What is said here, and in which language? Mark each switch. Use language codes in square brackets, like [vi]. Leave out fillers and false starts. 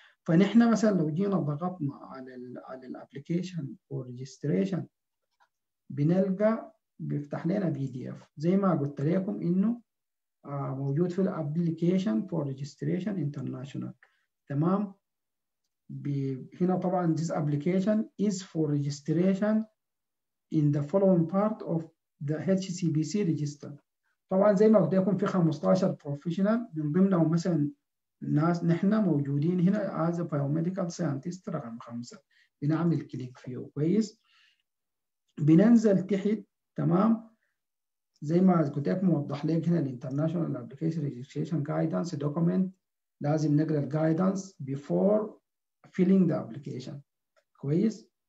[ar] فنحن مثلا لو جينا ضغطنا على الـ [en] application or registration [ar] بنلقى بيفتح لنا PDF زي ما قلت لكم انه موجود في الـ [en] application for registration international [ar] تمام. هنا طبعا [en] this application is for registration in the following part of the HCBC register. [ar] طبعا زي ما قلت لكم في 15 professional من ضمنهم مثلا ناس نحن موجودين هنا [en] as a biomedical scientist [ar] رقم 5 بنعمل كليك فيه كويس. بننزل تحت تمام زي ما قلت لكم موضح لك هنا الانترناشونال ابلكيشن ريجستريشن جايدنس دوكيمنت، لازم نقرا الجايدنس [en] before filling the application [ar] كويس.